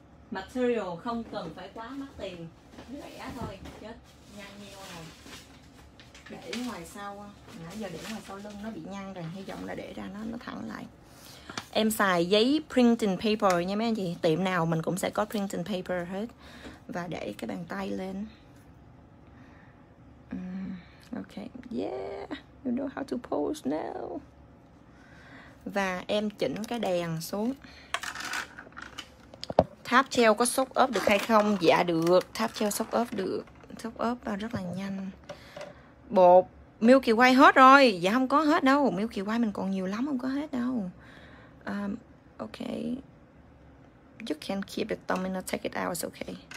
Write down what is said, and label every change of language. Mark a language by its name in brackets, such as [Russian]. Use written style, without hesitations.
[Vietnamese] Material không cần phải quá mắc tiền. Rẻ thôi, chết, nhăn nheo rồi. để ngoài sau, nãy giờ để ngoài sau lưng nó bị nhăn rồi, hy vọng là để ra nó thẳng lại. Em xài giấy printing paper nha mấy anh chị, tiệm nào mình cũng sẽ có printing paper hết. Và để cái bàn tay lên. [English] Okay, yeah, you know how to pose now. [Vietnamese] Và em chỉnh cái đèn xuống. Tháp treo có soak up được hay không? Dạ được, tháp treo soak up được. Soak up rất là nhanh. Bột Milky Way hết rồi. Dạ không có hết đâu, Milky Way mình còn nhiều lắm, không có hết đâu. [English] Okay. You can keep the thumb and not take it out, it's okay.